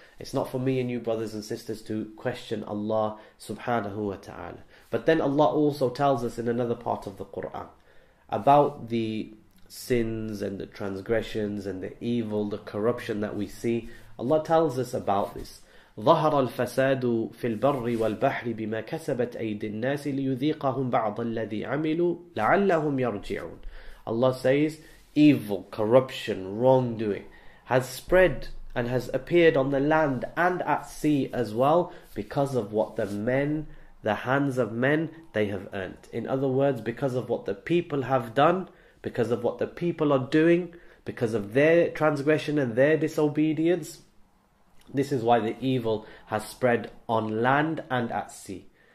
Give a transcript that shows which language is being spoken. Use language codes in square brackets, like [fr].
[en] It's not for me and you, brothers and sisters, to question Allah subhanahu wa ta'ala. But then Allah also tells us in another part of the Quran about the sins and the transgressions and the evil, the corruption that we see. Allah tells us about this. [ar] ظهر الفساد في البر والبحر بما كسبت أيدي الناس ليذيقهم بعض الذي عملوا لعلهم يرجعون. [en] Allah says, evil, corruption, wrongdoing has spread and has appeared on the land and at sea as well because of what the men, the hands of men, they have earned. In other words, because of what the people have done, because of what the people are doing, because of their transgression and their disobedience, this is why the evil has spread on land and at sea.